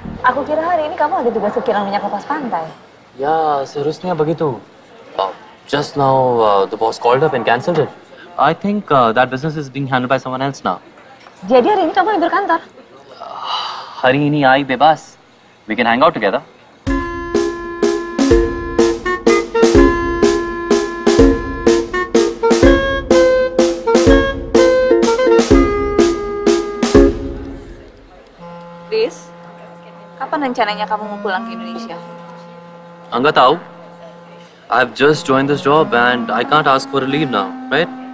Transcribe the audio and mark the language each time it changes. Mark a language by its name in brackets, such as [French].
[Indonesian] Aku kira hari ini kamu ada tugas kirim minyak lepas pantai. Ya, seharusnya begitu. [English] Just now, the boss called up and cancelled it. I think that business is being handled by someone else now. [Indonesian] Jadi hari ini kamu libur kantor? Hari ini [English] I [Indonesian] bebas. [English] We can hang out together. [Indonesian] This, kapan rencananya kamu mau pulang ke Indonesia? Angga tahu. [English] I've just joined this job and I can't ask for a leave now, right?